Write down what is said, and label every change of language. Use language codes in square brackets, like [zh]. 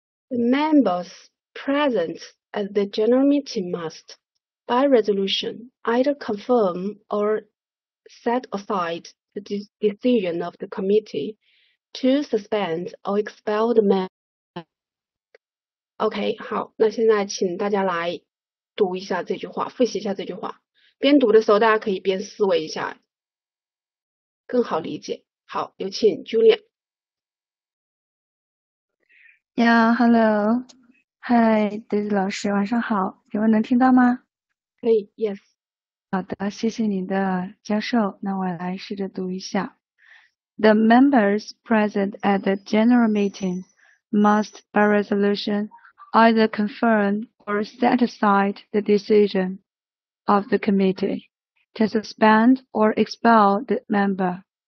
[en] 。The members present at the general meeting must, by resolution, either confirm or set aside the decision of the committee to suspend or expel the member. [zh] OK, 好，那现在请大家来读一下这句话，复习一下这句话。边读的时候大家可以边思维一下更好理解。好，有请 Julia。 [en] Yeah, hello. Hi, [zh] Daisy 老师，晚上好，请问能听到吗？可以 , [en] Yes. [zh] 好的，谢谢你的教授，那我来试着读一下。 [en] The members present at the general meeting must by resolution either confirm or set aside the decision of the committee to suspend or expel the member.